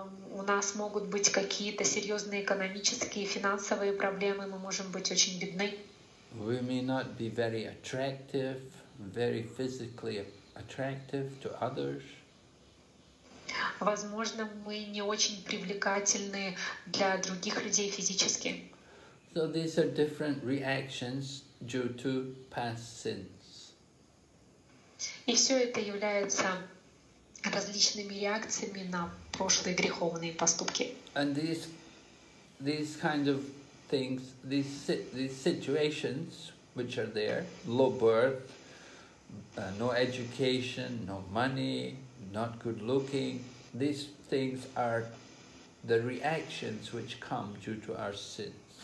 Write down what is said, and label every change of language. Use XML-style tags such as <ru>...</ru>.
<ru>У нас могут быть какие-то серьезные экономические, финансовые проблемы. Мы можем быть очень бедны.</ru> <en>We may not be very attractive, very physically attractive to others.</en> <ru>Возможно, мы не очень привлекательны для других людей физически.</ru> <en>So these are different reactions due to past sins.</en> <ru>И все это является различными реакциями на прошлые греховные поступки.</ru> <en>And these kind of things, these situations which are there, low birth, no education, no money, not good looking, these things are the reactions which come due to our sins.</en>